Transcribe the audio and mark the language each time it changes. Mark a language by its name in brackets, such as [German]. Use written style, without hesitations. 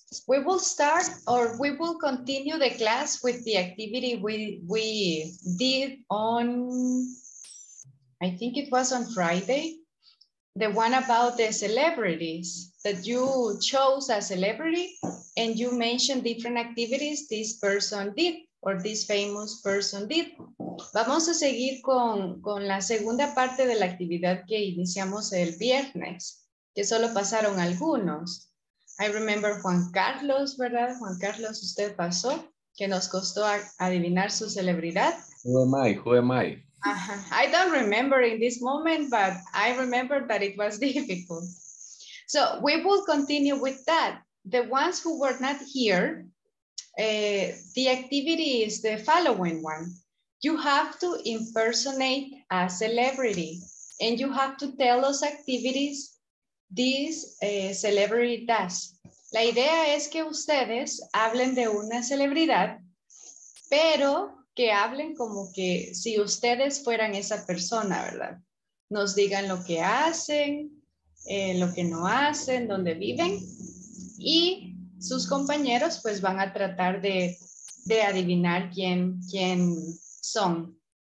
[English] We will start or we will continue the class with the activity we did on... I think it was on Friday, the one about the celebrities, that you chose a celebrity and you mentioned different activities this person did or this famous person did. [Spanish] Vamos a seguir con la segunda parte de la actividad que iniciamos el viernes, que solo pasaron algunos. [English] I remember [Spanish] Juan Carlos, ¿verdad? Juan Carlos, usted pasó, que nos costó adivinar su celebridad. [English] Who am I? Who am I? I don't remember in this moment, but I remember that it was difficult. So we will continue with that. The ones who were not here, the activity is the following one. You have to impersonate a celebrity and you have to tell us activities this celebrity does. [Spanish] La idea es que ustedes hablen de una celebridad, pero que hablen como que si ustedes fueran esa persona, ¿verdad? Nos digan lo que hacen, lo que no hacen, dónde viven. Y sus compañeros pues van a tratar de adivinar quién son.